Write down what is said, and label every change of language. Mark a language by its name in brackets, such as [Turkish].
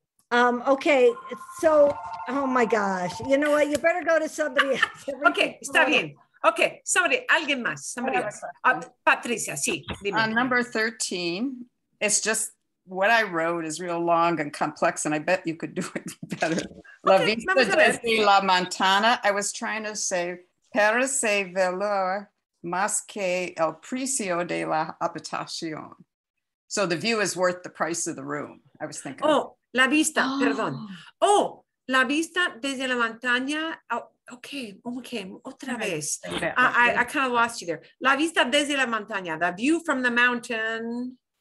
[English] Okay. So, oh my gosh. You know what? You better go to somebody else. Okay. [Spanish] Está bien. [English] Okay. Somebody, [Spanish] alguien más. [English] Somebody else. Patricia, sí. [Spanish] Dime. [English] Number 13. It's just, what I wrote is real long and complex, and I bet you could do it better. [Spanish] Okay, la vista desde la montana. [English] I was trying to say, [Spanish] parece valor más que el precio de la habitación. [English] So the view is worth the price of the room, I was thinking. [Spanish] Oh, la vista, oh. Perdón. Oh, la vista desde la montaña. [English] Oh, okay, [Spanish] otra vez. [English] I kind of lost you there. [Spanish] La vista desde la montaña, [English] the view from the mountain.